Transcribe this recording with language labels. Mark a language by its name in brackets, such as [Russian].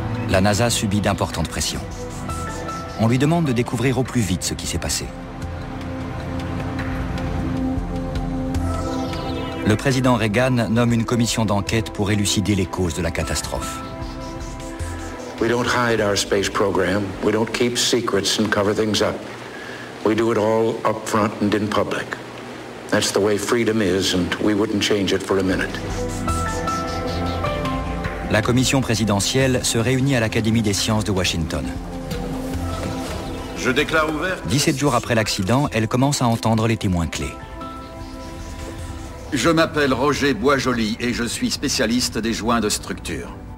[French] La NASA subit d'importantes pressions. On lui demande de découvrir au plus vite ce qui s'est passé. Le président Reagan nomme une commission d'enquête pour élucider les causes de la catastrophe. [English] We don't hide our space program. We don't keep secrets and cover things up. We do it all up front and in public. That's the way freedom is, and we wouldn't change it for a minute. [French] La commission présidentielle se réunit à l'Académie des sciences de Washington. Je déclare ouvert. 17 jours après l'accident, elle commence à entendre les témoins clés. Je m'appelle Roger Boisjoli et je suis spécialiste des joints de structure.